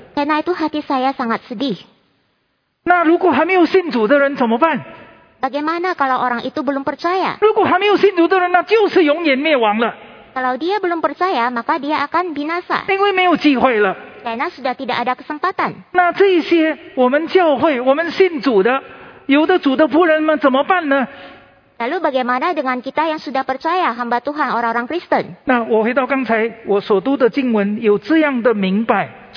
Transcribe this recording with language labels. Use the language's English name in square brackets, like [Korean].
[Indonesian] Karena itu hati saya sangat sedih. [Chinese] 那如果还没有信主的人怎么办？ [Indonesian] Bagaimana kalau orang itu belum percaya? [Chinese] 如果还没有信主的人, 那就是永远灭亡了。 [Indonesian] Kalau dia belum percaya, maka dia akan binasa. [Chinese] 因为没有机会了。 [Indonesian] Karena sudah tidak ada kesempatan. [Chinese] 那这些, 我们教会, 我们信主的, 有的主的仆人们, 怎么办呢? [Indonesian] Lalu bagaimana dengan kita yang sudah percaya, hamba Tuhan, orang-orang Kristen? [Chinese] 那我回到刚才, 我所读的经文, 有这样的明白。